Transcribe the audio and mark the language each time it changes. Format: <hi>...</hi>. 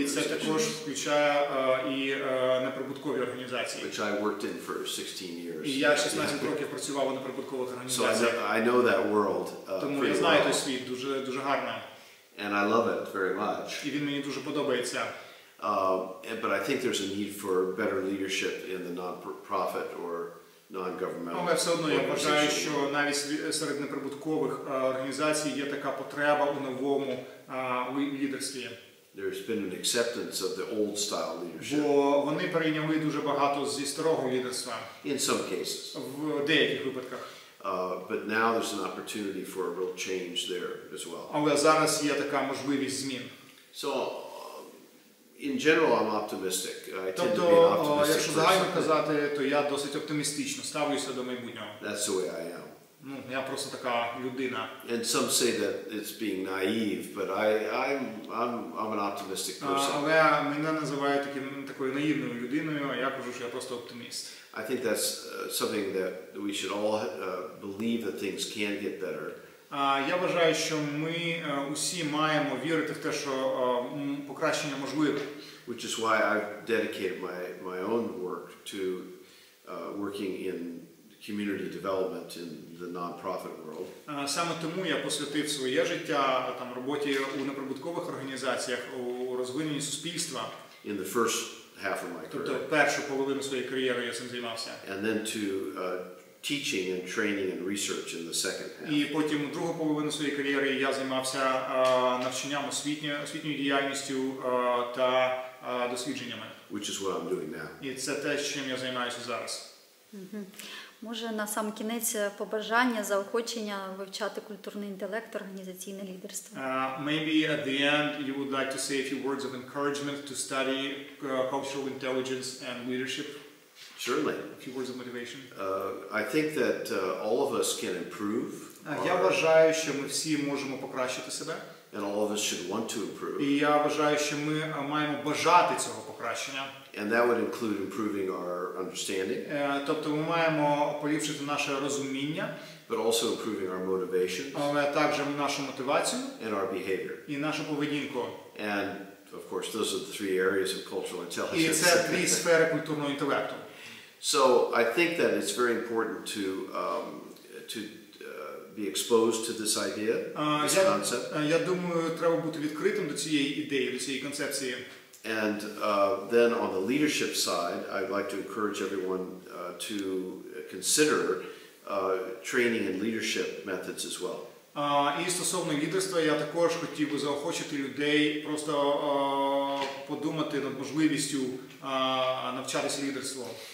<uk>І це також включає і неприбуткові організації.</uk> <en>Which I worked in for 16 years.</en> <uk>І я 16 років працював у неприбуткових організаціях.</uk> <en>So I know that world</en> <uk>Тому я знаю той світ, дуже гарно.</uk> <en>And I love it very much.</en> <uk>І він мені дуже подобається.</uk> <en>But I think there's a need for better leadership in the non-profit or non-governmental.</en> <uk>Але все одно я вважаю, що навіть серед неприбуткових організацій є така потреба у новому лідерстві.</uk> <en>There's been an acceptance of the old style leadership.</en> <uk>Бо вони перейняли дуже багато зі старого лідерства.</uk> <en>In some cases.</en> <uk>В деяких випадках.</uk> <en>But now there's an opportunity for a real change there as well.</en> <uk>Але зараз є така можливість змін.</uk> <en>So in general, I'm optimistic. I tend to be an optimistic person.</en> <uk>Тобто, якщо загально казати, то я досить оптимістично ставлюся до майбутнього.</uk> <en>That's the way I am.</en> <uk>Ну, я просто така людина.</uk> <en>And some say that it's being naive, but I'm an optimistic person.</en> <uk>Але мене називають такою наївною людиною, а я кажу, що я просто оптиміст.</uk> <en>I think that's something that we should all believe that things can get better.</en> <uk>Я вважаю, що ми усі маємо вірити в те, що покращення можливе.</uk> <en>Which is why I've dedicated my own work to working in community development in the non-profit world.</en> <uk>Саме тому я посвятив своє життя там роботі у неприбуткових організаціях, у розвиненні суспільства.</uk> <en>In the first half of my career.</en> <uk>Тобто першу половину своєї кар'єри я цим займався.</uk> <en>And then to teaching and training and research in the second half.</en> <uk>І потім другу половину своєї кар'єри я займався навчанням освітньою діяльністю та дослідженнями.</uk> <en>Which is what I'm doing now.</en> <uk>І це те, чим я займаюся зараз. Може, на сам кінець побажання, заохочення вивчати культурний інтелект, організаційне лідерство.</uk> <en>Maybe at the end you would like to say a few words of encouragement to study cultural intelligence and leadership. Certainly. A few words of motivation. I think that all of us can improve.</en> <uk>Я вважаю, що ми всі можемо покращити себе.</uk> <en>And all of us should want to improve.</en> <uk>І я вважаю, що ми маємо бажати цього покращення.</uk> <en>And that would include improving our understanding.</en> <uk>Тобто ми маємо поліпшити наше розуміння.</uk> <en>But also improving our motivations.</en> <uk>Але також нашу мотивацію.</uk> <en>And our behavior.</en> <uk>І нашу поведінку.</uk> <en>And of course, those are the three areas of cultural intelligence.</en> <uk>І це три сфери культурного інтелекту.</uk> <en>So I think that it's very important to be exposed to this idea, this concept.</en> <uk>Я думаю, треба бути відкритим до цієї ідеї, до цієї концепції.</uk> <en>And then on the leadership side, I'd like to encourage everyone to consider training and leadership methods as well.</en> <uk>І стосовно лідерства, я також хотів би заохочити людей просто подумати над можливістю навчатися лідерству.</uk>